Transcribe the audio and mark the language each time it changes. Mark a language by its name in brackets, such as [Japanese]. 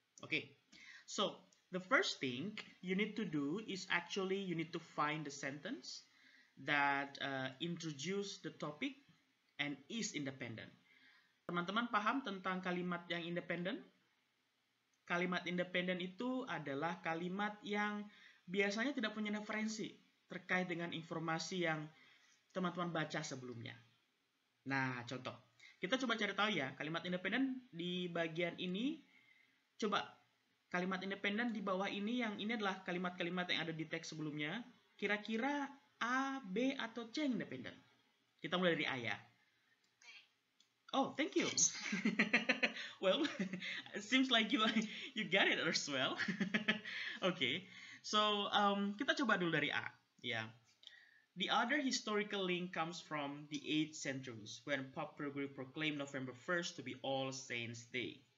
[English] Okay, so the first thing you need to do is actually you need to find the sentence that introduce the topic and is independent. [Indonesian] Teman-teman paham tentang kalimat yang independent? Kalimat independent itu adalah kalimat yang biasanya tidak punya referensi terkait dengan informasi yang teman-teman baca sebelumnya. Nah, contoh. Kita coba cari tahu ya, kalimat independen di bagian ini. Coba, kalimat independen di bawah ini, yang ini adalah kalimat-kalimat yang ada di teks sebelumnya. Kira-kira A, B, atau C yang independen? Kita mulai dari A ya. [English] Oh, thank you. Well, seems like you got it as well. Okay, so [Indonesian] kita coba dulu dari A. [English] Yeah. The other historical link comes from the 8th century when Pope Gregory proclaimed November 1st to be All Saints Day.